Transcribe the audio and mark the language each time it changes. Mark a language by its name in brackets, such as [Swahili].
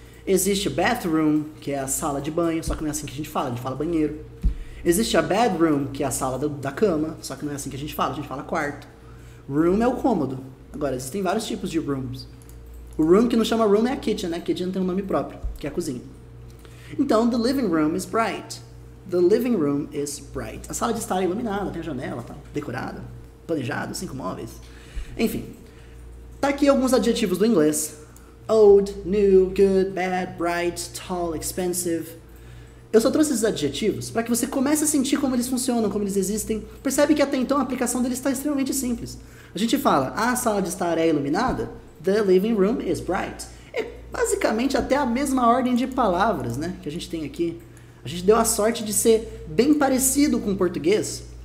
[Portuguese] Existe a bathroom, que é a sala de banho. Só que não é assim que a gente fala banheiro. Existe a bedroom, que é a sala da cama, só que não é assim que a gente fala quarto. Room é o cômodo. Agora, existem vários tipos de rooms. O room que não chama room é a kitchen, né? A kitchen tem um nome próprio, que é a cozinha. Então, [English] the living room is bright. The living room is bright. [Portuguese] A sala de estar é iluminada, tem a janela, tá decorada, planejado, 5 móveis. Enfim, tá aqui alguns adjetivos do inglês. [English] Old, new, good, bad, bright, tall, expensive. [Portuguese] Eu só trouxe esses adjetivos para que você comece a sentir como eles funcionam, como eles existem. Percebe que até então a aplicação deles está extremamente simples. A gente fala, a sala de estar é iluminada, [English] the living room is bright. [Portuguese] É basicamente até a mesma ordem de palavras, né, que a gente tem aqui. A gente deu a sorte de ser bem parecido com o português.